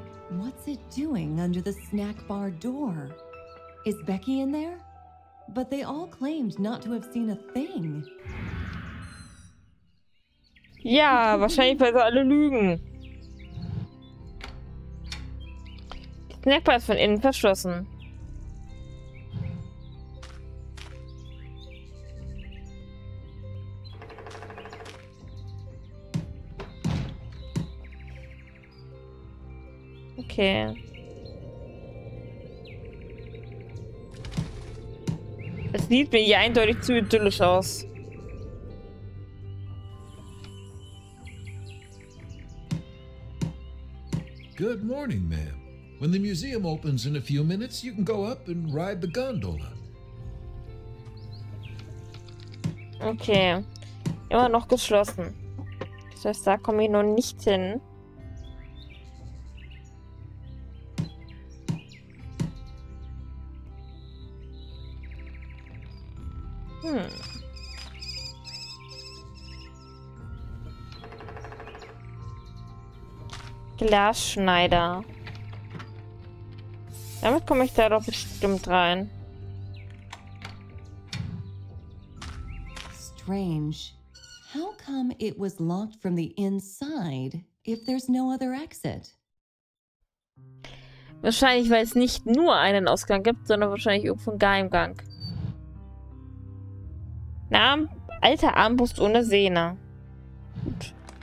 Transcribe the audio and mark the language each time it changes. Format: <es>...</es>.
<en>What's it doing under the snack bar door? Is Becky in there? But they all claimed not to have seen a thing.</en> <de>Ja, wahrscheinlich weil sie alle lügen. Die Snackbar ist von innen verschlossen. Okay. sieht mir hier eindeutig zu idyllisch aus.</de> <en>Good morning, ma'am. When the museum opens in a few minutes, you can go up and ride the gondola. Okay.</en> <de>Immer noch geschlossen. Das heißt, da komme ich noch nicht hin. Glasschneider. Damit komme ich da doch bestimmt rein.</de> <en>Strange. How come it was locked from the inside if there's no other exit?</en> <de>Wahrscheinlich, weil es nicht nur einen Ausgang gibt, sondern wahrscheinlich irgendwo einen Geheimgang. Name? Alter Armbrust ohne Sehne. Gut.</de>